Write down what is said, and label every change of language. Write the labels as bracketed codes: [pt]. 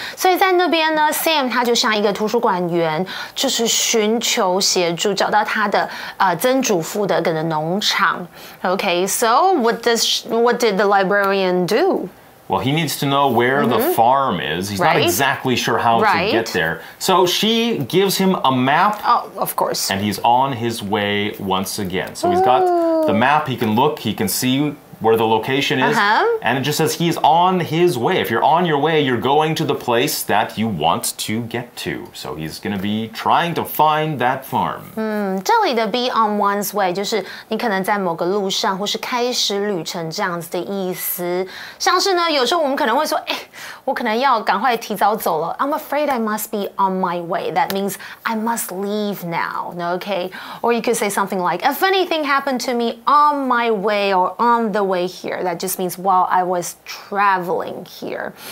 [zh] 所以在那边呢 Sam 他就像一个图书馆员就是寻求求协助找到他的曾祖父的可能农场。 [en] Okay, so what did the librarian do? Well, he needs to know where、mm-hmm. the farm is. He's、 right? not exactly sure how、 right? to get there. So she gives him a map. Oh, of course. And he's on his way once again. So he's got、Ooh. The map. He can look. He can see where the location is.、 Uh-huh. And it just says he's on his way. If you're on your way, you're going to the place that you want to get to. So he's going to be trying to find that farm.、 [zh] 这里的 [en] be on one's way [zh] 就是你可能在某个路上或是开始旅程这样子的意思。像是呢有时候我们可能会说我可能要赶快提早走了。 [en] I'm afraid I must be on my way. That means I must leave now. Okay? Or you could say something like, a funny thing happened to me on my way or on the way here. That just means while I was traveling here.